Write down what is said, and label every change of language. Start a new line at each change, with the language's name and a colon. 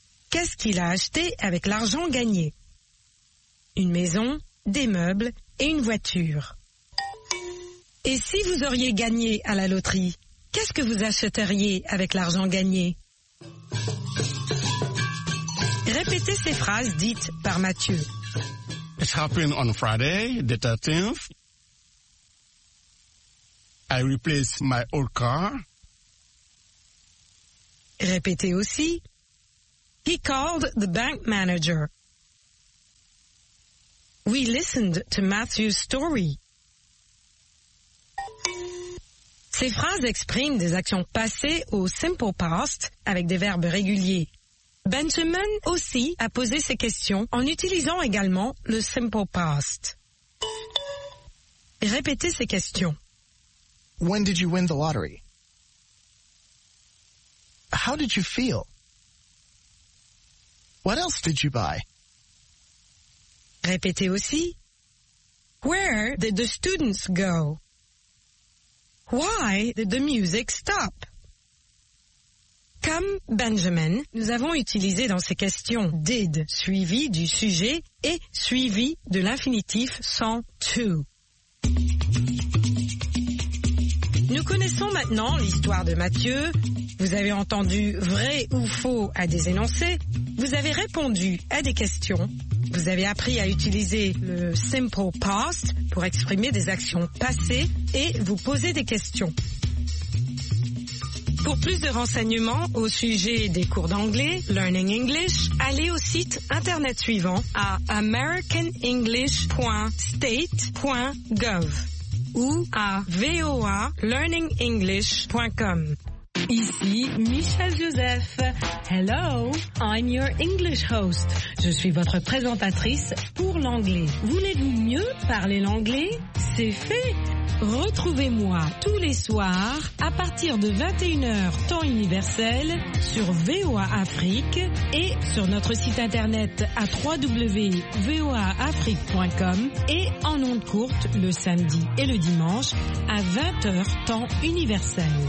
French: Qu'est-ce qu'il a acheté avec l'argent gagné? Une maison, des meubles et une voiture. Et si vous auriez gagné à la loterie, qu'est-ce que vous achèteriez avec l'argent gagné? Répétez ces phrases dites par Mathieu.
English: It happened on Friday, the 13th. I replaced my old car.
French: Répétez aussi.
English: He called the bank manager. We listened to Matthew's story.
French: Ces phrases expriment des actions passées au simple past avec des verbes réguliers. Benjamin aussi a posé ces questions en utilisant également le simple past. Répétez ces questions.
English: When did you win the lottery? How did you feel? What else did you buy?
French: Répétez aussi.
English: Where did the students go? Why did the music stop?
French: Comme Benjamin, nous avons utilisé dans ces questions did suivi du sujet et suivi de l'infinitif sans to. Nous connaissons maintenant l'histoire de Mathieu. Vous avez entendu vrai ou faux à des énoncés. Vous avez répondu à des questions. Vous avez appris à utiliser le simple past pour exprimer des actions passées et vous poser des questions. Pour plus de renseignements au sujet des cours d'anglais, Learning English, allez au site internet suivant à americanenglish.state.gov ou à voalearningenglish.com. Ici Michel Joseph.
English: Hello, I'm your English host.
French: Je suis votre présentatrice pour l'anglais. Voulez-vous mieux parler l'anglais? C'est fait! Retrouvez-moi tous les soirs à partir de 21h temps universel sur VOA Afrique et sur notre site internet à www.voaafrique.com et en ondes courtes le samedi et le dimanche à 20h temps universel.